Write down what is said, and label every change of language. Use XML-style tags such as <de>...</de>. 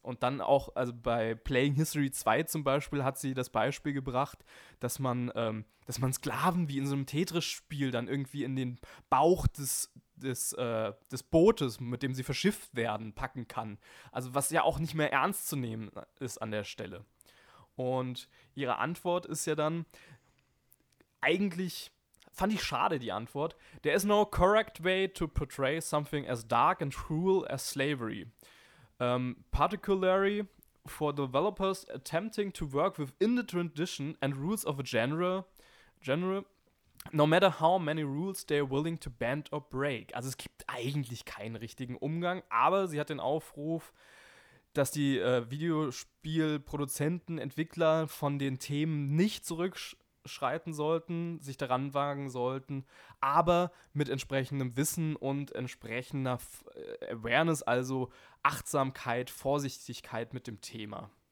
<de>Und dann auch, also bei Playing History 2 zum Beispiel hat sie das Beispiel gebracht, dass man Sklaven wie in so einem Tetris-Spiel dann irgendwie in den Bauch des Bootes, mit dem sie verschifft werden, packen kann. Also was ja auch nicht mehr ernst zu nehmen ist an der Stelle. Und ihre Antwort ist ja dann, eigentlich fand ich schade, die Antwort.</de> <en>There is no correct way to portray something as dark and cruel as slavery. Particularly for developers attempting to work within the tradition and rules of a genre, no matter how many rules they are willing to bend or break.</en> <de>Also es gibt eigentlich keinen richtigen Umgang, aber sie hat den Aufruf, dass die Videospielproduzenten, Entwickler von den Themen nicht zurückschreiten sollten, sich daran wagen sollten, aber mit entsprechendem Wissen und entsprechender Awareness, also Achtsamkeit, Vorsichtigkeit mit dem Thema.</de>